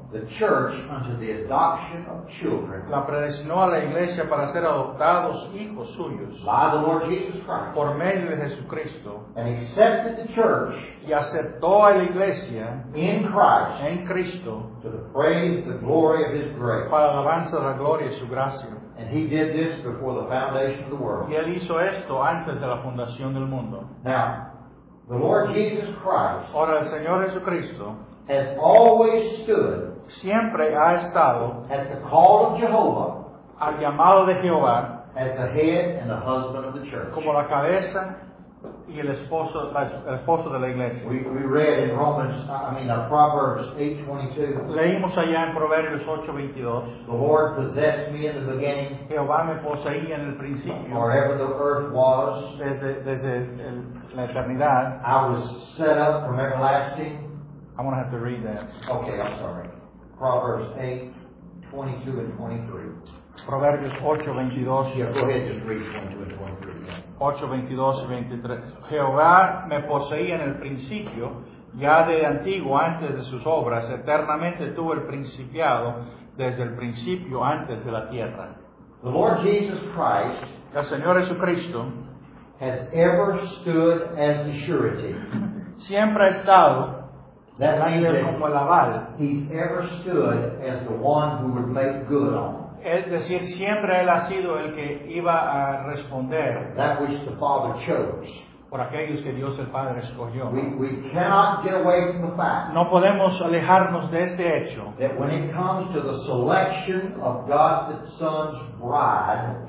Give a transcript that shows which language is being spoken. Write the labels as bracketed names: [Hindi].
[English] the church unto the adoption of children, [Spanish] la predestinó a la iglesia para ser adoptados hijos suyos, [English] by the Lord Jesus Christ, [Spanish] por medio de Jesucristo, [English] and accepted the church, [Spanish] y aceptó a la iglesia, [English] in Christ, [Spanish] en Cristo, [English] to the praise the glory of his grace, [Spanish] para alabanza de la gloria de su gracia. [English] And he did this before the foundation of the world. [Spanish] Y él hizo esto antes de la fundación del mundo. [English] Now, the Lord Jesus Christ, [Spanish] ahora el Señor Jesucristo, [English] has always stood, [Spanish] siempre ha estado, [English] at the call of Jehovah, [Spanish] al llamado de Jehová, [English] as the head and the husband of the church, [Spanish] como la cabeza y el esposo de la iglesia. [English] We read in Proverbs 8:22. [Spanish] Leímos allá en Proverbios 8:22. [English] The Lord possessed me in the beginning. [Spanish] Jehová me poseía en el principio. [English] Wherever the earth was, [Spanish] desde la eternidad. [English] I was set up from everlasting. I'm going to have to read that. Okay, I'm sorry. Proverbs 8:22-23. [Spanish] Proverbios 8:22. [English] Yeah, go ahead, just read 22 and 23. [Spanish] 8:22-23. Jehová me poseía en el principio, ya de antiguo, antes de sus obras, eternamente tuvo el principiado, desde el principio, antes de la tierra. [English] The Lord Jesus Christ, [Spanish] el Señor Jesucristo, [English] has ever stood as the surety. [Spanish] Siempre ha estado. [English] That means that [Spanish] como el aval. [English] He's ever stood as the one who would make good on. [Spanish] Es decir, siempre él ha sido el que iba a responder [English] that which the Father chose, [Spanish] por aquellos que Dios el Padre escogió. [English] We cannot get away from the fact, [Spanish] no podemos alejarnos de este hecho, [English] that when it comes to the selection of God the Son's bride,